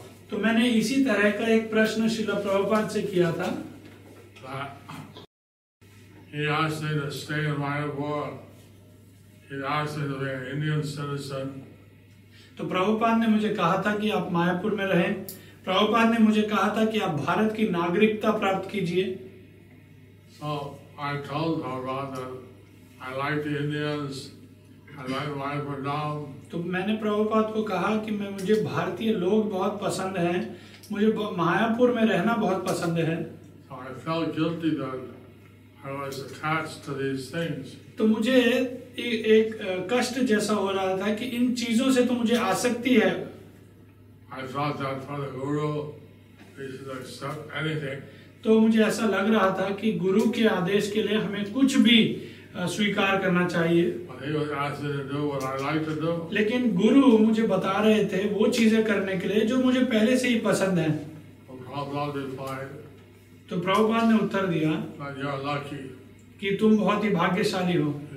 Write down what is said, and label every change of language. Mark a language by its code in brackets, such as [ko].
[hi] तो मैंने इसी तरह का एक प्रश्न श्रील प्रभुपाद से किया था. [en] He asked me to stay in Mayapur. He asked me to be an Indian citizen. [hi] तो प्रभुपाद ने मुझे कहा था कि आप मायापुर में रहें. प्रभुपाद ने मुझे कहा था कि आप भारत की नागरिकता प्राप्त कीजिए. [en] So I told Prabhupada that I like the Indians. I like Mayapur now. [hi] तो मैंने प्रभुपाद को कहा कि मैं मुझे भारतीय लोग बहुत पसंद हैं. मुझे मायापुर में रहना बहुत पसंद है. [en] So I felt guilty that I was attached to these things. [hi] तो मुझे एक कष्ट जैसा हो रहा था कि इन चीजों से तो मुझे आसक्ति है. [en] I thought that for the guru, we should accept anything. [hi] तो मुझे ऐसा लग रहा था कि गुरु के आदेश के लिए हमें कुछ भी स्वीकार करना चाहिए. [en] But he was asking to do what I like to do. [hi] लेकिन गुरु मुझे बता रहे थे वो चीजें करने के लिए जो मुझे पहले से ही पसंद है. तो प्रभुपाद ने उत्तर दिया कि तुम बहुत ही भाग्यशाली हो.